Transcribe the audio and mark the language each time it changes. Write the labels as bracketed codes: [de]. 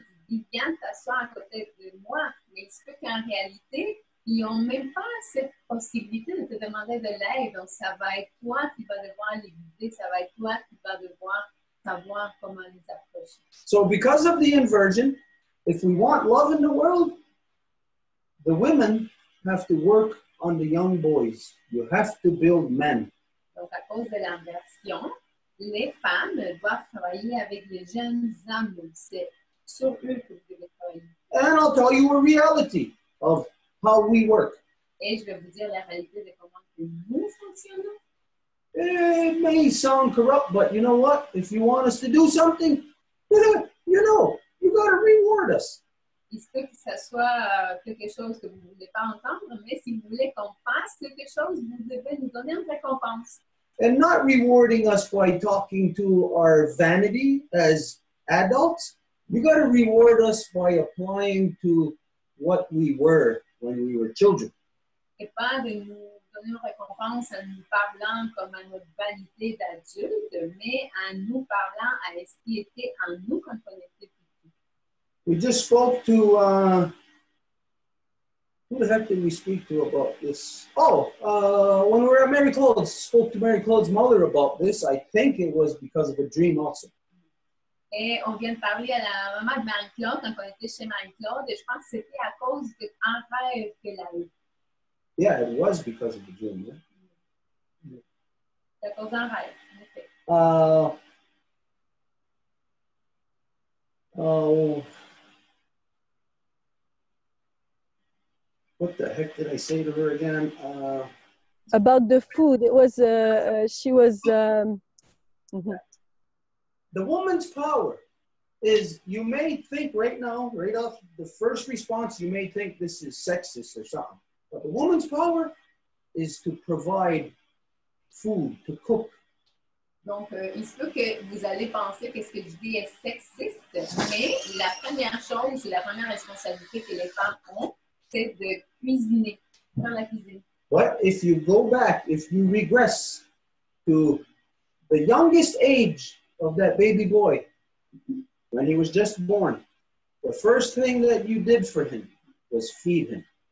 [fr] Il vient t'asseoir à côté de moi, mais il se peut qu'en réalité, ils n'ont même pas cette possibilité de te demander de l'aide. Donc, ça va être toi qui vas devoir les guider, ça va être toi qui vas devoir savoir comment les approcher. [en] So, because of the inversion, if we want love in the world, the women have to work on the young boys. You have to build men. [fr] Donc, à cause de l'inversion, les femmes doivent travailler avec les jeunes hommes. [en] And I'll tell you a reality of how we work. [fr] Et je vais vous dire la réalité de comment nous fonctionnons. [en] It may sound corrupt, but you know what? If you want us to do something, you know, you got to reward us. [fr] Il se peut que ce soit quelque chose que vous ne voulez pas entendre, mais si vous voulez qu'on fasse quelque chose, vous devez nous donner une récompense. [en] And not rewarding us by talking to our vanity as adults. You got to reward us by applying to what we were when we were children. [fr] Et pas de nous donner une récompense en nous parlant comme à notre vanité d'adulte, mais en nous parlant à ce qui était en nous quand on était petit. [en] We just spoke to, who the heck did we speak to about this? Oh, when we were at Marie-Claude's, spoke to Marie-Claude's mother about this. I think it was because of a dream also. [fr] Et on vient de parler à la maman de Marie-Claude quand on était chez Marie-Claude, et je pense que c'était à cause d'un rêve qu'elle a eu. [en] Yeah, it was because of the dream. Yeah? Yeah. [fr] C'est à cause d'un rêve. [en] Okay. What the heck did I say to her again? About the food. It was, she was... The woman's power is, you may think right now, right off the first response, you may think this is sexist or something. But the woman's power is to provide food, to cook. [fr] Donc, il se peut que vous allez penser qu'est-ce que je dis est sexiste, mais la première chose, la première responsabilité que les femmes ont, c'est de cuisiner, faire la cuisine. [en] What if you go back, if you regress to the youngest age of that baby boy, when he was just born, the first thing that you did for him was feed him.